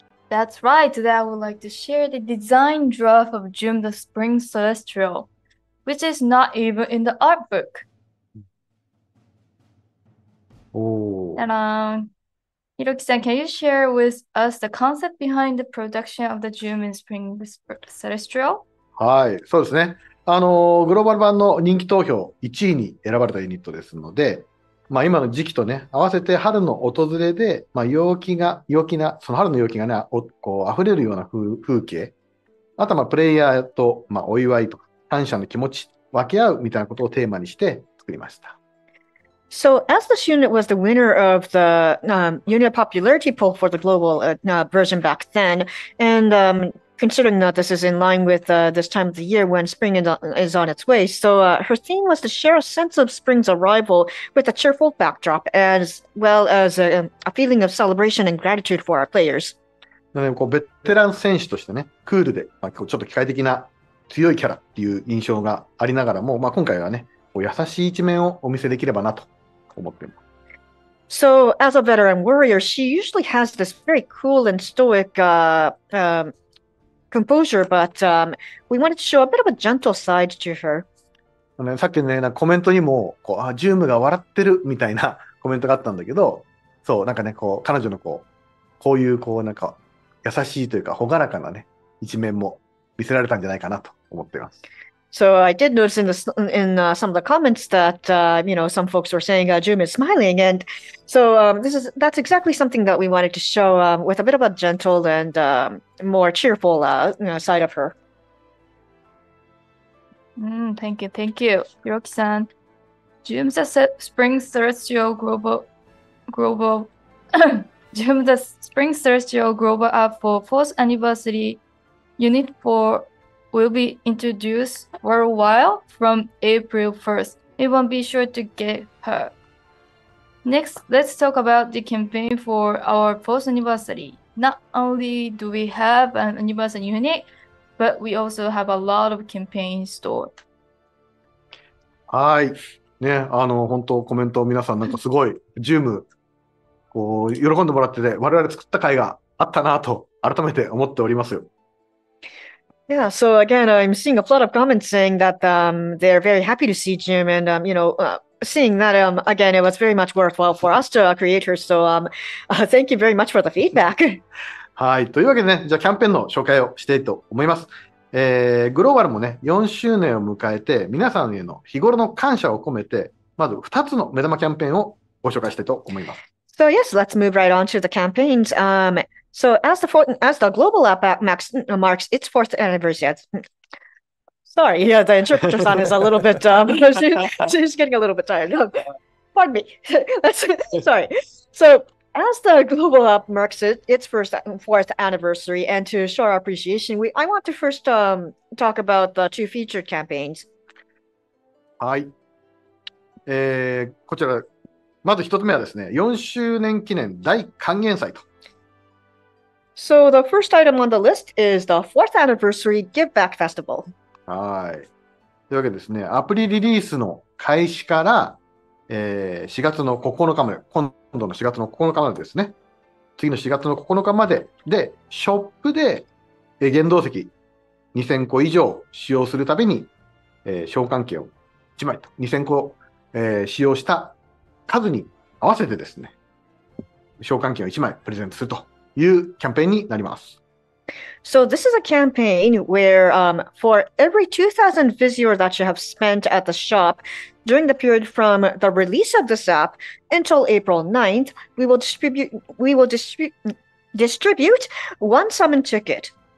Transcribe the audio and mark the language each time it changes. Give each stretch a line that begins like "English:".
English: That's right, that I would like to share the design draft of Joom the Spring Celestial, which is not even in the art book. Hiroki san, can you share with us the concept behind the production of the Joom in Spring Celestial?
Japanese: はい、そうですね。グローバル版の人気投票1位に選ばれたユニットですので、まあ、今の時期とね合わせて春の訪れで、まあ、陽気なその春の陽気がねこう溢れるような風景、あとはプレイヤーと、まあ、お祝いとか感謝の気持ち分け合うみたいなことをテーマにして作りました。
English: So as this unit was the winner of the unit popularity poll for the global version back then, and considering that this is in line with this time of the year when spring is on its way, so her theme was to share a sense of spring's arrival with a cheerful backdrop as well as a feeling of celebration and gratitude for our players.
Japanese: こうベテラン選手としてね、クールで、まあ、ちょっと機械的な強いキャラっていう印象がありながらも、まあ、今回はね、こう優しい一面をお見せできればなと。
English: So as a veteran warrior, she usually has this very cool and stoic composure, but we wanted to show a bit of a gentle side to her.
Japanese: さっきね、コメントにもこう、あ、ジュームが笑ってるみたいなコメントがあったんだけど、そう、なんかね、こう、彼女のこう、こういうこう、なんか優しいというか、ほがらかなね、一面も見せられたんじゃないかなと思っています。
English: So I did notice in some of the comments that you know, some folks were saying Jume is smiling, and so that's exactly something that we wanted to show with a bit of a gentle and more cheerful side of her. Thank you, Hiroki-san. Jume's spring celestial global Jume's spring celestial global app for fourth anniversary unit for. Will be introduced for a while from April 1st. It won't be sure to get her. Next, let's talk about the campaign for our fourth anniversary. Not only do we have an anniversary unit, but we also have a lot of campaigns stored.
Japanese: はい。ね、あの、本当コメント皆さんなんかすごい、ジューム、こう、喜んでもらってて、我々作った甲斐があったなと、改めて思っておりますよ。
English: Yeah, so again, I'm seeing a flood of comments saying that they're very happy to see Jim, and you know, seeing that again, it was very much worthwhile for us to create her. So, thank you very much for the feedback.
Japanese: はい、というわけでね、じゃあキャンペーンの紹介をしたいと思います。グローバルもね、4周年を迎えて、皆さんへの日頃の感謝を込めて、まず2つの目玉キャンペーンをご紹介したいと思います。
English: So yes, let's move right on to the campaigns. So as the global app marks its fourth anniversary, sorry, yeah, the interpreter-san is a little bit, she's getting a little bit tired. Pardon me. Sorry. So as the global app marks its fourth anniversary, and to show our appreciation, I want to first talk about the two featured campaigns.
Japanese: はい。こちら、まず一つ目はですね、4周年記念大還元祭と。
English: So the first item on the list is the fourth anniversary Give Back Festival.
Japanese: はい。というわけですね、アプリリリースの開始から、4月の9日まで、今度の4月の9日までですね、次の4月の9日まで、で、ショップで、限度席2000個以上使用するたびに、召喚券を1枚と、2000個、使用した数に合わせてですね、召喚券を1枚プレゼントすると。いうキャンペーンになります。
English: So this is a campaign where for every 2,000 Vizier that you have spent at the shop during the period from the release of this app until April 9th, we will distribute one summon ticket.